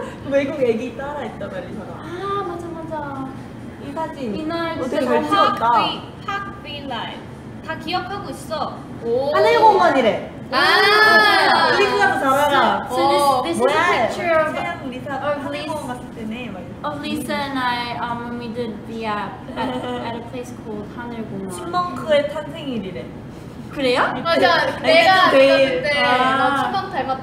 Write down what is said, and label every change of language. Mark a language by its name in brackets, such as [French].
[Korean] 외국 애기 따라 했다가 리사가 아 맞아 맞아 이 사진 이날 어떻게 잘 찍었다 학비 라이브 다 기억하고 있어 하늘 공원이래 아 리사가 잘 알아 [English] so this is a picture of [Korean] 세영 리사가 하늘 공원 갔을 때네 [English] of Lisa and I when we did the app at a place called 하늘 공원 [Korean] 침벙크의 탄생일이래 그래요? 맞아 내가 그때 너 침벙 닮았다고